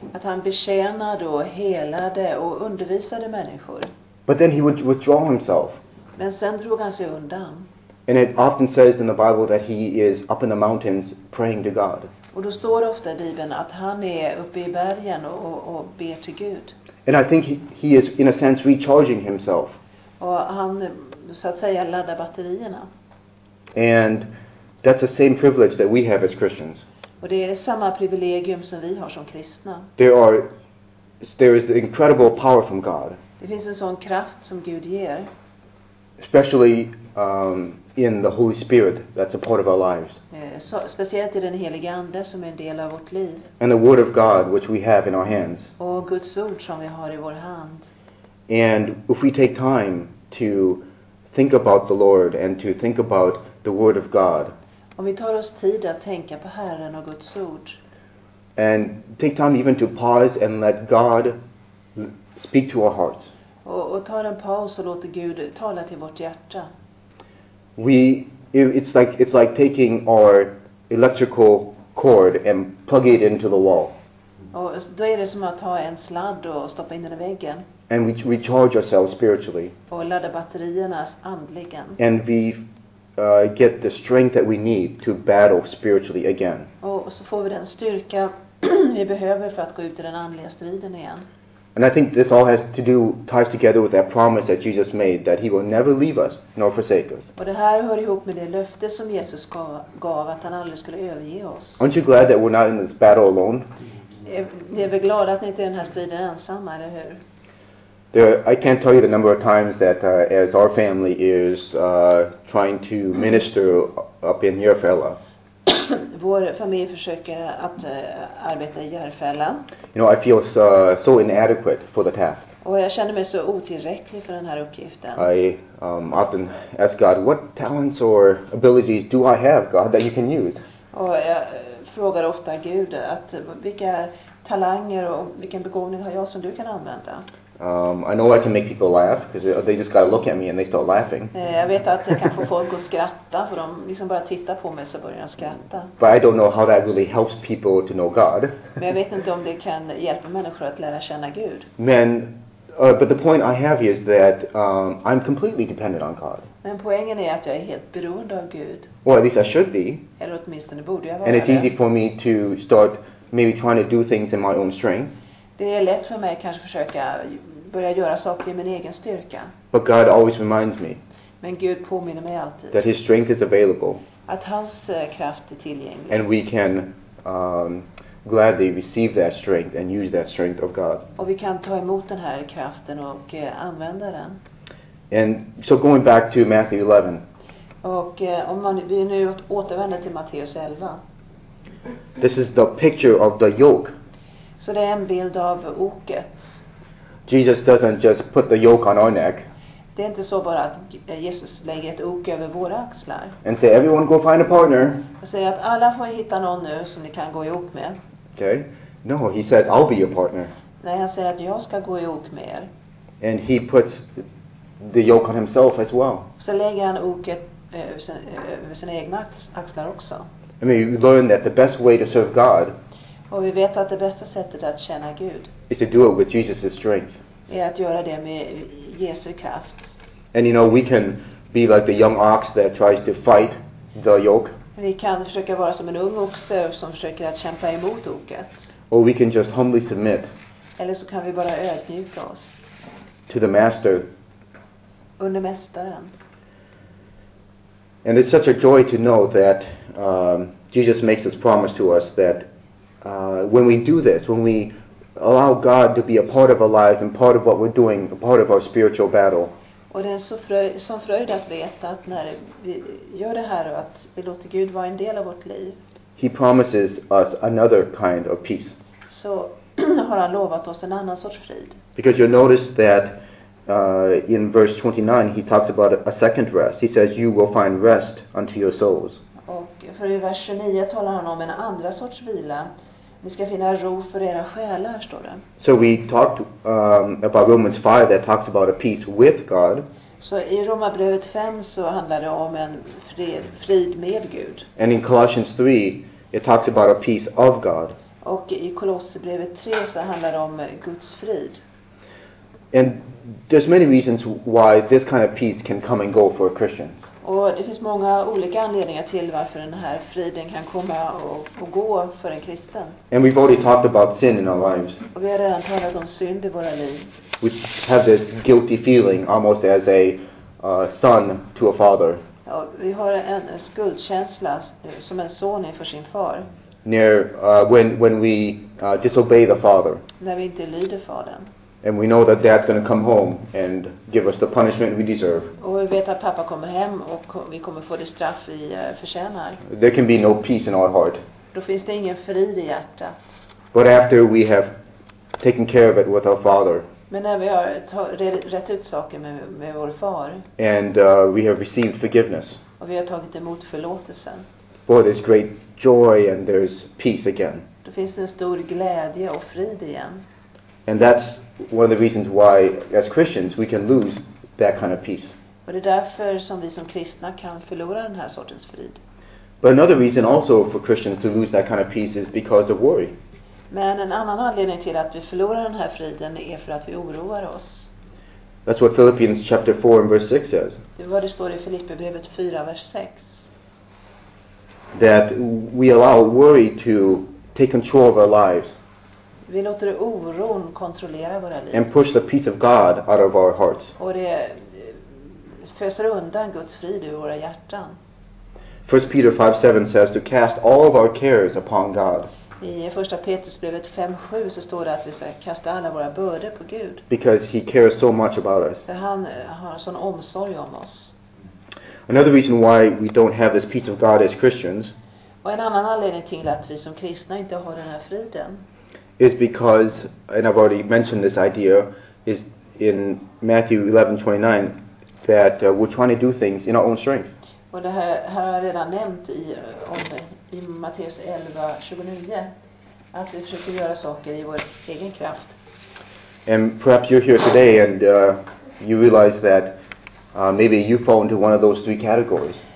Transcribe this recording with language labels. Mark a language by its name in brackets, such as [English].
[Swedish] Att han betjänade och helade och undervisade människor. [English] But then he would withdraw himself. [Swedish] Men sen drog han sig undan. [English] And it often says in the Bible that he is up in the mountains praying to God. [Swedish] Och då står det ofta i Bibeln att han är uppe i bergen och ber till Gud. [English] And I think he is in a sense recharging himself. [Swedish] Och han så att säga laddar batterierna. [English] And that's the same privilege that we have as Christians. [Swedish] Och det är samma privilegium som vi har som kristna. [English] There is incredible power from God. [Swedish] Det finns en sån kraft som Gud ger. [English] Especially in the Holy Spirit that's a part of our lives. [Swedish] Speciellt i den helige ande som är en del av vårt liv. [English] And the word of God which we have in our hands. [Swedish] Och Guds ord som vi har i vår hand. [English] And if we take time to think about the Lord and to think about the word of God. [Swedish] Om vi tar oss tid att tänka på Herren och Guds ord. [English] And take time even to pause and let God speak to our hearts. [Swedish] Och ta en paus och låta Gud tala till vårt hjärta. [English] It's like taking our electrical cord and plug it into the wall. [Swedish] Och då är det som att ta en sladd och stoppa in den i väggen. [English] And we recharge ourselves spiritually. [Swedish] Och ladda batterierna andligen. [English] And we get the strength that we need to battle spiritually again. [Swedish] Och så får vi den styrka vi behöver för att gå ut i den andliga striden igen. [English] And I think this all has to do, ties together with that promise that Jesus made, that he will never leave us nor forsake us. [Swedish] Och det här hör ihop med det löfte som Jesus gav, att han aldrig skulle överge oss. [English] Aren't you glad that we're not in this battle alone? [Swedish] Ni är väl glada att ni inte är i den här striden ensamma, eller hur? [English] I can't tell you the number of times that as our family is trying to minister up in Järfälla. [Swedish] Vår familj försöker att arbeta i Järfälla. [English] You know, I feel so inadequate for the task. [Swedish] Och jag känner mig så otillräcklig för den här uppgiften. [English] I often ask God, what talents or abilities do I have, God, that you can use? [Swedish] Och jag frågar ofta Gud att vilka talanger och vilken begåvning har jag som du kan använda? [English] I know I can make people laugh because they just gotta look at me and they start laughing. [Swedish] Jag vet att jag kan få folk att skratta, för de liksom bara tittar på mig så börjar de skratta. [English] But I don't know how that really helps people to know God. [Swedish] Men jag vet inte om det kan hjälpa människor att lära känna Gud. [English] Men but the point I have is that I'm completely dependent on God. [Swedish] Men poängen är att jag är helt beroende av Gud. [English] Well, at least I should be. [Swedish] Eller åtminstone borde jag vara. [English] And it's easy for me to start maybe trying to do things in my own strength. [Swedish] Det är lätt för mig att kanske försöka börja göra saker i min egen styrka. [English] But God always reminds me. [Swedish] Men Gud påminner mig alltid. [English] That his strength is available. [Swedish] Att hans kraft är tillgänglig. [English] And we can gladly receive that strength and use that strength of God. [Swedish] Och vi kan ta emot den här kraften och använda den. [English] And so going back to Matthew 11. [Swedish] Och om man, vi nu återvänder till Matteus 11. [English] This is the picture of the yoke. [Swedish] Så det är en bild av oket. [English] Jesus doesn't just put the yoke on our neck. [Swedish] Det är inte så bara att Jesus lägger ett ok över våra axlar. [English] And say everyone go find a partner. [Swedish] Och säger att alla får hitta någon nu som ni kan gå ihop med. [English] Okay. No, he said I'll be your partner. [Swedish] Nej, han säger att jag ska gå ihop med er. [English] And he puts the yoke on himself as well. [Swedish] Så lägger han oket över sina egna axlar också. [English] I mean, you learn that the best way to serve God. [Swedish] Och vi vet att det bästa sättet att känna Gud [English] is to do it with Jesus' strength. [Swedish] Är att göra det med Jesu kraft. [English] And you know, we can be like the young ox that tries to fight the yoke. [Swedish] Vi kan försöka vara som en ung oxe som försöker att kämpa emot oket. [English] Or we can just humbly submit. [Swedish] Eller så kan vi bara ödmjuka oss. [English] To the master. [Swedish] Under mästaren. [English] And it's such a joy to know that Jesus makes this promise to us that when we do this, when we allow God to be a part of our lives and part of what we're doing, a part of our spiritual battle. [Swedish] Och det är så som fröjd att veta att när vi gör det här och att vi låter Gud vara en del av vårt liv. [English] He promises us another kind of peace. [Swedish] Så har han lovat oss en annan sorts frid. [English] Because you'll notice that in verse 29 he talks about a second rest. He says you will find rest unto your souls. [Swedish] Och för i vers 29 talar han om en andra sorts vila. Ni ska finna ro för era själar, står det. [English] So we talked about Romans 5 that talks about a peace with God. [Swedish] Så i Romarbrevet 5 så handlar det om en frid med Gud. [English] And in Colossians 3 it talks about a peace of God. [Swedish] Och i Kolosserbrevet 3 så handlar det om Guds frid. [English] And there's many reasons why this kind of peace can come and go for a Christian. [Swedish] Och det finns många olika anledningar till varför den här friden kan komma och gå för en kristen. [English] And we've already talked about sin in our lives. [Swedish] Och vi har redan talat om synd i våra liv. [English] We have this guilty feeling almost as a son to a father. [Swedish] Ja, vi har en skuldkänsla som en son inför sin far. [English] When we disobey the father. [Swedish] När vi inte lyder fadern. [English] And we know that dad's going to come home and give us the punishment we deserve. [Swedish] Och vi vet att pappa kommer hem och vi kommer få det straff vi förtjänar. [English] There can be no peace in our heart. [Swedish] Då finns det ingen frid i hjärtat. [English] But after we have taken care of it with our father. [Swedish] Men när vi har rätt ut saker med vår far. [English] And we have received forgiveness. [Swedish] Och vi har tagit emot förlåtelsen. [English] Boy, there's great joy and there's peace again. [Swedish] Då finns det en stor glädje och frid igen. [English] And that's one of the reasons why, as Christians, we can lose that kind of peace. [Swedish] Och det är därför som vi som kristna kan förlora den här sortens frid. [English] But another reason also for Christians to lose that kind of peace is because of worry. [Swedish] Men en annan anledning till att vi förlorar den här friden är för att vi oroar oss. [English] That's what Philippians chapter 4 and verse 6 says. [Swedish] Det är vad det står i Filipperbrevet 4, vers 6. [English] That we allow worry to take control of our lives. [Swedish] Vi låter oron kontrollera våra liv. [English] And push the peace of God out of our hearts. [Swedish] Och det föser undan Guds frid ur våra hjärtan. [English] 1 Peter 5:7 says to cast all of our cares upon God. [Swedish] I första Petrusbrevet 5:7 så står det att vi ska kasta alla våra bördor på Gud. [English] Because he cares so much about us. [Swedish] För han har sån omsorg om oss. [English] Another reason why we don't have this peace of God as Christians. [Swedish] Och en annan anledning till att vi som kristna inte har den här friden. [English] Is because, and I've already mentioned this idea, is in Matthew 11:29 that we're trying to do things in our own strength. [Swedish] Och det här har jag redan nämnt i Matteus 11:29, att vi försöker göra saker i vår egen kraft. [English] And perhaps you're here today and you realize that maybe you fall into one of those three categories.